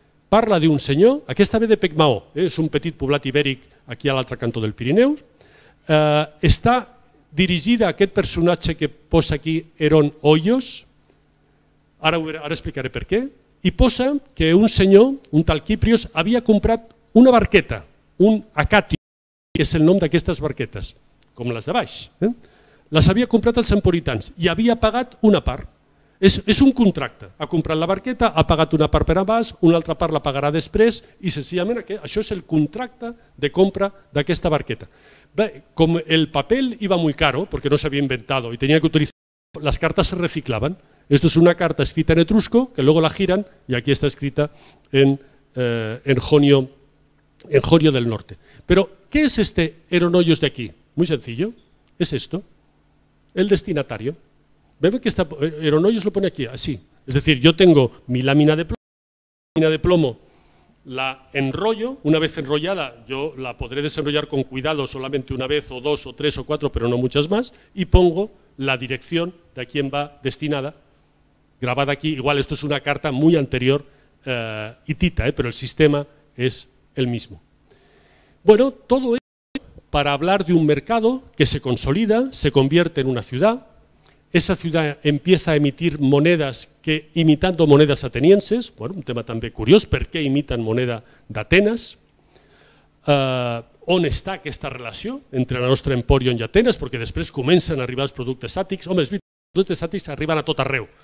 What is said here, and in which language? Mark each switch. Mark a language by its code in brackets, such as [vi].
[ca] Parla d'un senyor, aquesta ve de Pecmaó, és un petit poblat ibèric aquí a l'altre cantó del Pirineu, està dirigida a aquest personatge que posa aquí Heron Hoyos, ara explicaré per què, i posa que un senyor, un tal Kiprios, havia comprat una barqueta, un acatio, que és el nom d'aquestes barquetes, com les de baix, les havia comprat els emporitans i havia pagat una part. És un contracte, ha comprat la barqueta, ha pagat una part per abans, una altra part la pagarà després i senzillament això és el contracte de compra d'aquesta barqueta. Bé, com el paper [es] iba muy caro, [ca] perquè no s'havia inventat i tenia que utilitzar, les cartes se reciclaven. [es] Esto es una carta escrita en etrusco que luego la giran [ca] i aquí està escrita [es] en Jonio del Norte. [ca] Però què és este Heron Hoyos de aquí? [es] Muy sencillo, és esto, el destinatario. Veo que está Heron Hoyos lo pone aquí, así. Es decir, yo tengo mi lámina de plomo, la enrollo, una vez enrollada, yo la podré desenrollar con cuidado solamente una vez o dos o tres o cuatro, pero no muchas más, y pongo la dirección de a quién va destinada, grabada aquí. Igual esto es una carta muy anterior hitita, pero el sistema es el mismo. Bueno, todo esto para hablar de un mercado que se consolida, se convierte en una ciudad. Esa ciudad empieza a emitir monedas que imitando monedas atenienses, [ca] bueno, un tema també curiós, per què imiten moneda d'Atenes, on està aquesta relació entre la nostra Emporion i Atenes, perquè després comencen a arribar els productes àtics, home, els productes àtics arriben a tot arreu,